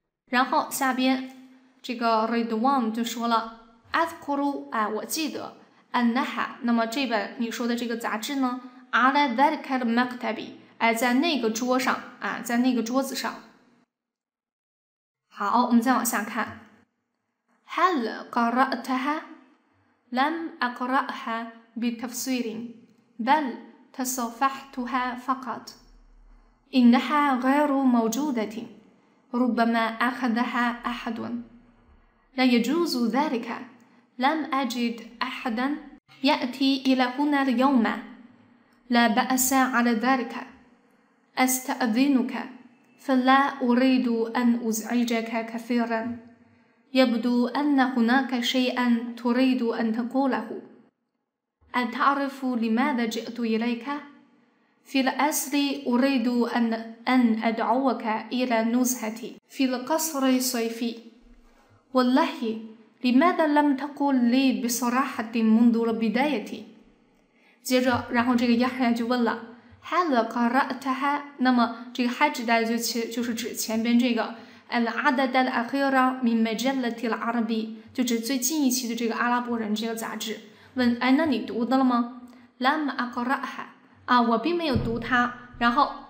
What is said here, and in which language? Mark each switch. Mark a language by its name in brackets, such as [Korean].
[Chinese] 然后下边这个 Ridwan 就说了 Azkuru， 哎，我记得 Anha， 那么这本你说的这个杂志呢 [Arabic] على ذلك المكتب أي [Chinese] 在那个桌上啊，在那个桌子上。好，我们再往下看。 [Arabic] هل قرأتها؟ لم أقرأها بتفسير بل تصفحتها فقط. إنها غير موجودة. ربما أخذها أحد. لا يجوز ذلك. لم أجد أحدا يأتي إلى هنا اليوم. لا بأس على ذلك. أستأذنك. فلا أريد أن أزعجك كثيرا. يبدو أن هناك شيئا تريد أن تقوله. أتعرف لماذا جئت إليك؟ في الأصل أريد أن أدعوك إلى نزهتي في القصر الصيفي. والله لماذا لم تقل لي بصراحة منذ البداية؟ [Chinese] 接着然后这个亚哈亚就问了 [Arabic] هل قرأتها؟ [Chinese] 那么这个 حج 大家就是指前边这个 [Arabic] العدد الأخير من مجلة العربي [Chinese] 就指最近一期的这个阿拉伯人这个杂志问哎，那你读的了吗 [Arabic] لم أقرأها [Chinese] 啊，我并没有读它然后